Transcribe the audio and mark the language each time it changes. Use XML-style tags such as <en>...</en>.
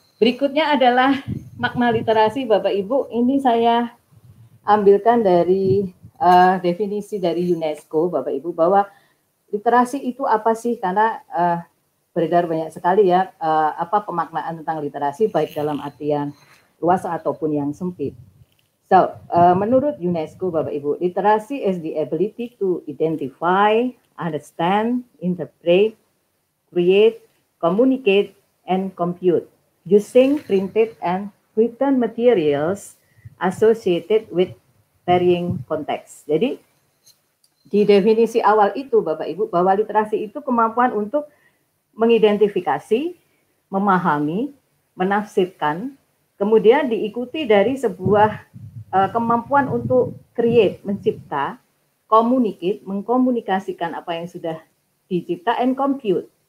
<id>Berikutnya adalah makna literasi, Bapak Ibu. Ini saya ambilkan dari definisi dari UNESCO, Bapak Ibu, bahwa literasi itu apa sih? Karena beredar banyak sekali ya apa pemaknaan tentang literasi, baik dalam artian luas ataupun yang sempit.</id> <en>So,</en> <id>menurut UNESCO, Bapak Ibu, literasi</id> <en>is the ability to identify, understand, interpret, create, communicate, and compute using printed and written materials associated with varying context.</en> <id>Jadi, di definisi awal itu, Bapak Ibu, bahwa literasi itu kemampuan untuk mengidentifikasi, memahami, menafsirkan, kemudian diikuti dari sebuah kemampuan untuk create, mencipta, communicate, mengkomunikasikan apa yang sudah dicipta,</id> <en>and compute.</en>